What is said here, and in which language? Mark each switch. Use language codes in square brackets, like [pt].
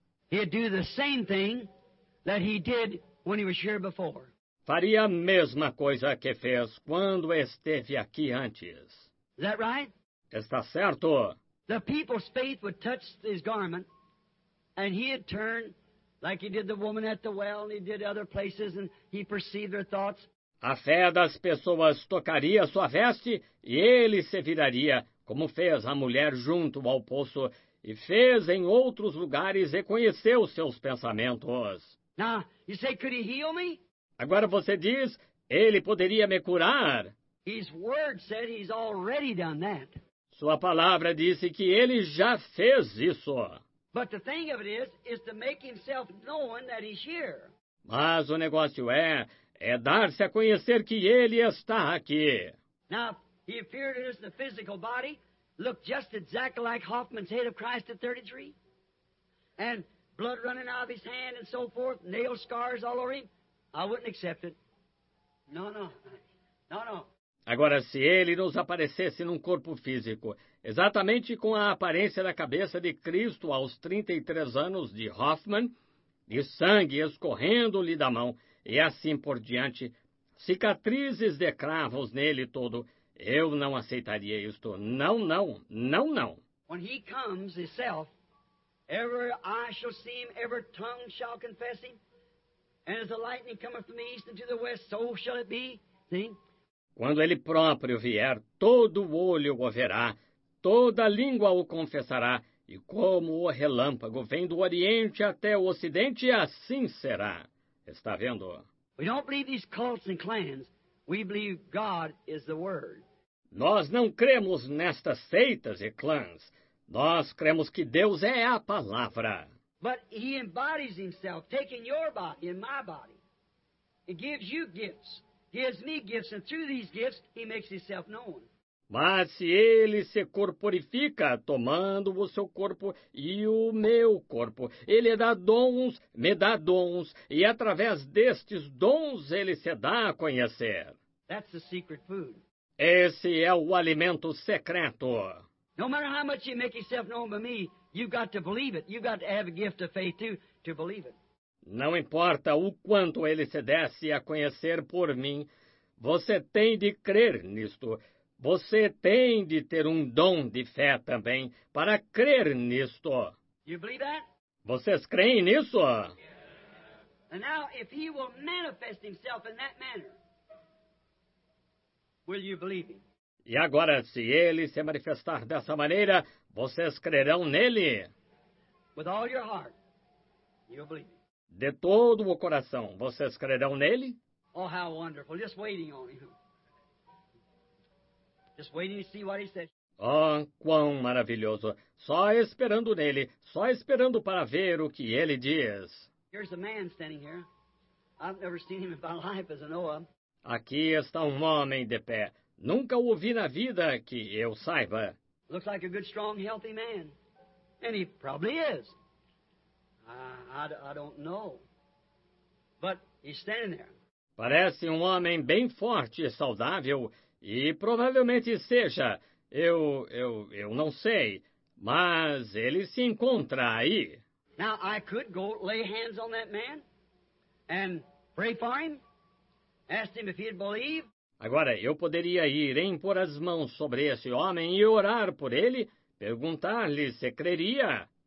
[en] He'd do the same thing that he did when he was here before. [pt] Faria a mesma coisa que fez quando esteve aqui antes. [en] Is that right? [pt] Está certo? [en] The people's faith would touch his garment and he'd turn like he did the woman at the well and he did other places and he perceived their thoughts. [pt] A fé das pessoas tocaria sua veste e ele se viraria, como fez a mulher junto ao poço, e fez em outros lugares e conheceu seus pensamentos. [en] Now, you say, could he heal me? [pt] Agora você diz, ele poderia me curar? [en] His word said he's already done that. [pt] Sua palavra disse que ele já fez isso. [en] But the thing of it is to make himself known that he's here. [pt] Mas o negócio é dar-se a conhecer que ele está aqui. [en] Now, he appeared in the physical body, looked just exactly like Hoffman's head of Christ at 33, and blood running out of his hand and so forth, nail scars all over him. I wouldn't accept it. No. [pt] Agora, se ele nos aparecesse num corpo físico, exatamente com a aparência da cabeça de Cristo aos 33 anos de Hoffman, e sangue escorrendo-lhe da mão, e assim por diante, cicatrizes de cravos nele todo, eu não aceitaria isto. Não. [en] When he comes himself, every eye shall see him, every tongue shall confess him, and as the lightning cometh from the east and to the west, so shall it be. See? [pt] Quando ele próprio vier, todo olho o verá, toda língua o confessará, e como o relâmpago vem do oriente até o ocidente, assim será. Está vendo? [en] We don't believe these cults and clans. We believe God is the Word. [pt] Nós não cremos nestas seitas e clãs. Nós cremos que Deus é a palavra. [en] But he embodies himself, taking your body and my body. He gives you gifts. He gives me gifts, and through these gifts, he makes himself known. [pt] Mas se ele se corporifica, tomando o seu corpo e o meu corpo, ele me dá dons, e através destes dons ele se dá a conhecer. [en] That's the secret food. [pt] Esse é o alimento secreto. [en] No matter how much you make yourself known by me, you've got to believe it. You've got to have a gift of faith too, to believe it. [pt] Não importa o quanto ele se desse a conhecer por mim, você tem de crer nisto. Você tem de ter um dom de fé também para crer nisto. [en] You believe that? [pt] Vocês creem nisso? [en] And now, if he will manifest himself in that manner, will you believe him? [pt] E agora, se ele se manifestar dessa maneira, vocês crerão nele? [en] With all your heart, you'll believe him. [pt] De todo o coração, vocês crerão nele? [en] Oh, how wonderful! Just waiting on him. Just waiting to see what he says. [pt] Oh, quão maravilhoso! Só esperando nele, só esperando para ver o que ele diz. [en] Here's a man standing here. I've never seen him in my life as I know of. [pt] Aqui está um homem de pé. Nunca o vi na vida que eu saiba. [en] Looks like a good, strong, healthy man. And he probably is. I don't know. But he's standing there. [pt] Parece um homem bem forte e saudável, e provavelmente seja. Eu não sei, mas ele se encontra aí. [en] Now I could go lay hands on that man and pray for him, ask him if he'd believe. [pt] Agora, eu poderia ir impor as mãos sobre esse homem e orar por ele, perguntar-lhe se creria.